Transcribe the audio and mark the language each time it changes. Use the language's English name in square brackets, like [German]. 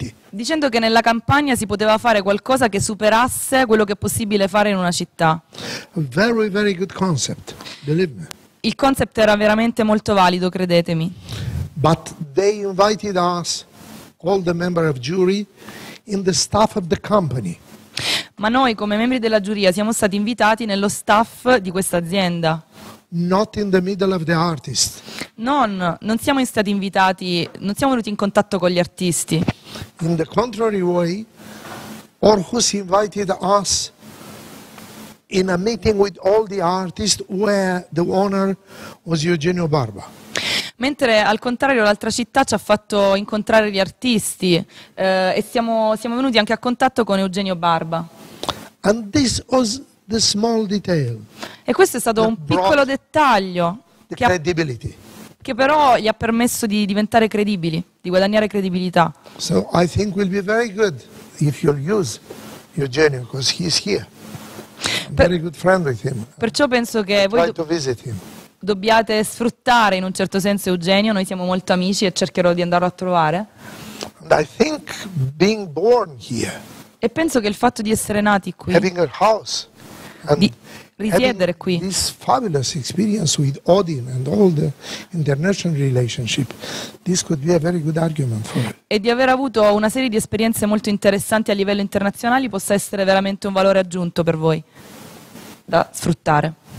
[Italian] Dicendo che nella campagna si poteva fare qualcosa che superasse quello che è possibile fare in una città. [English] A very very good concept, believe me. [Italian] Il concept era veramente molto valido, credetemi. [English] But they invited us, all the member of jury, in the staff of the company. [Italian] Ma noi, come membri della giuria, siamo stati invitati nello staff di questa azienda. [English] Not in the middle of the artist. [Italian] Non siamo stati invitati, non siamo venuti in contatto con gli artisti. [English] In the contrary way, Aarhus invited us in a meeting with all the artists where the owner was Eugenio Barba. [Italian] Mentre al contrario l'altra città ci ha fatto incontrare gli artisti e siamo venuti anche a contatto con Eugenio Barba. [English] And this was the small detail. [Italian] E questo è stato un piccolo dettaglio che però gli ha permesso di diventare credibili, di guadagnare credibilità. [English] So I think will be very good if you'll use Eugenio because he's here. Very good friend with him. [Italian] Perciò penso che voi [English] try to visit him. [Italian] Dobbiate sfruttare in un certo senso Eugenio, noi siamo molto amici e cercherò di andarlo a trovare. [English] And I think being born here, [Italian] e penso che il fatto di essere nati qui, [English] having a house, [Italian] and di risiedere qui, [English] this fabulous experience with Odin and all the international relationship, this could be a very good argument for me. [Italian] E di aver avuto una serie di esperienze molto interessanti a livello internazionale possa essere veramente un valore aggiunto per voi da sfruttare.